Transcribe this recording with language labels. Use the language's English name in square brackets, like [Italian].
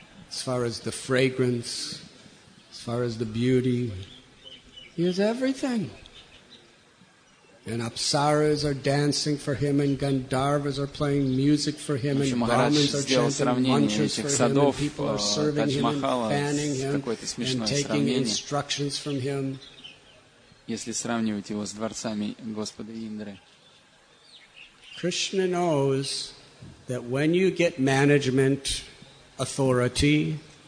[English] As far as the fragrance, as far as the beauty, here's everything. And apsaras are dancing for him, and gandharvas are playing music for him, and brahmins are chanting mantras for him, and people are serving him and fanning him and taking instructions from him. [Russian] Если сравнивать его с дворцами Господа Индры. [English] Krishna knows that when you get management authority,